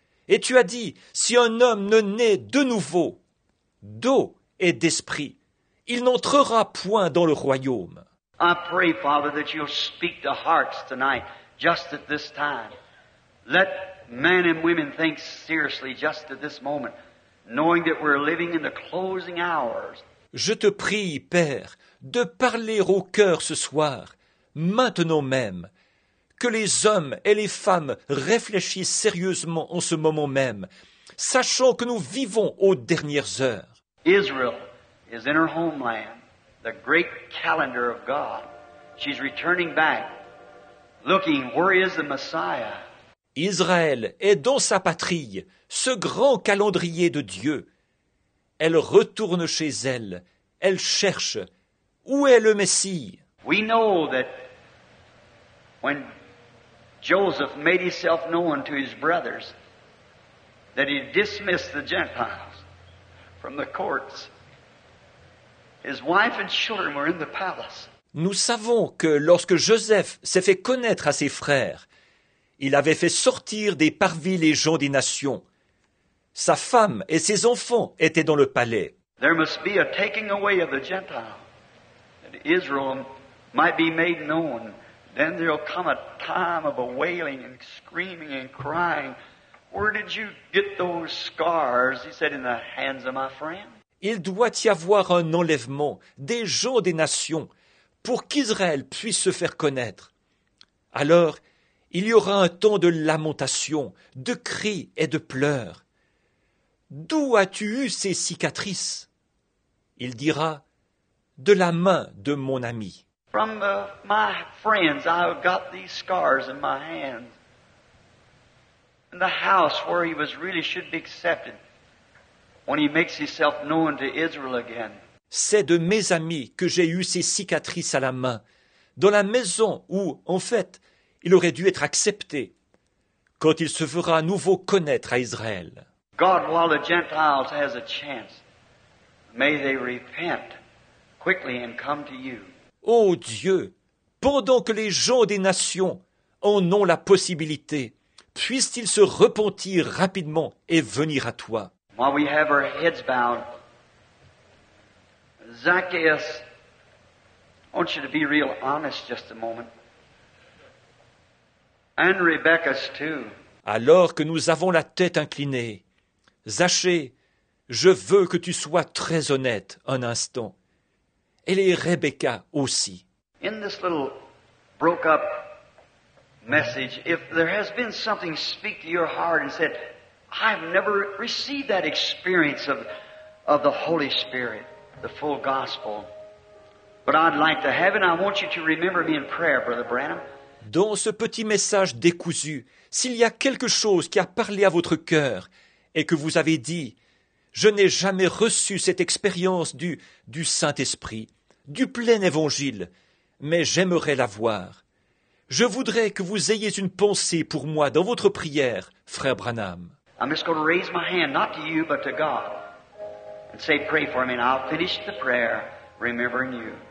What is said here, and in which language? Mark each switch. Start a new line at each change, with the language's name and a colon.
French: Et tu as dit, si un homme ne naît de nouveau, d'eau et d'esprit, il n'entrera point dans le royaume.
English: I pray, Father, that you'll speak to hearts tonight, just at this time. Let men and women think seriously just at this moment, knowing that we're living in the closing hours.
French: Je te prie, Père, de parler au cœur ce soir, maintenant même, que les hommes et les femmes réfléchissent sérieusement en ce moment même, sachant que nous vivons aux dernières heures. Israël est dans son homeland, le grand calendrier de Dieu. Elle est retournée, regardant où est le Messiah. Israël est dans sa patrie, ce grand calendrier de Dieu. Elle retourne chez elle. Elle cherche. Où est le Messie?
English: We know that when Joseph made himself known to his brothers, that he dismissed the Gentiles from the courts. His wife and children were in the palace.
French: Nous savons que lorsque Joseph s'est fait connaître à ses frères, il avait fait sortir des parvis les gens des nations. Sa femme et ses enfants étaient dans le palais.
English: There must be a taking away of the Gentiles, that Israel might be made known. Then there will come a time of a wailing and screaming and crying. Where did you get those scars? He said, in the hands of my friend.
French: Il doit y avoir un enlèvement des gens des nations pour qu'Israël puisse se faire connaître. Alors, il y aura un temps de lamentation, de cris et de pleurs. D'où as-tu eu ces cicatrices? Il dira, de la main de mon ami.
English: From my friends, I've got these scars in my hands. In the house where he was really should be accepted, when he makes himself known to Israel again.
French: C'est de mes amis que j'ai eu ces cicatrices à la main, dans la maison où, en fait, il aurait dû être accepté quand il se fera à nouveau connaître à Israël.
English: God, while the Gentiles has a chance, may they repent quickly and come to you.
French: Ô Dieu, pendant que les gens des nations en ont la possibilité, puissent-ils se repentir rapidement et venir à toi.
English: While we have our heads bowed, Zacchaeus, I want you to be real honest just a moment. And Rebecca's too.
French: Alors que nous avons la tête inclinée, Zachée, je veux que tu sois très honnête un instant. Et les Rebecca aussi.
English: In this little broke-up message, if there has been something speak to your heart and said, I've never received that experience of the Holy Spirit, the full gospel, but I'd like to have it. I want you to remember me in prayer, Brother Branham.
French: Dans ce petit message décousu, s'il y a quelque chose qui a parlé à votre cœur et que vous avez dit, je n'ai jamais reçu cette expérience du Saint-Esprit, du plein évangile, mais j'aimerais l'avoir. Je voudrais que vous ayez une pensée pour moi dans votre prière, frère Branham.
English: I'm just going to raise my hand, not to you, but to God, and say, pray for me, and I'll finish the prayer, remembering you.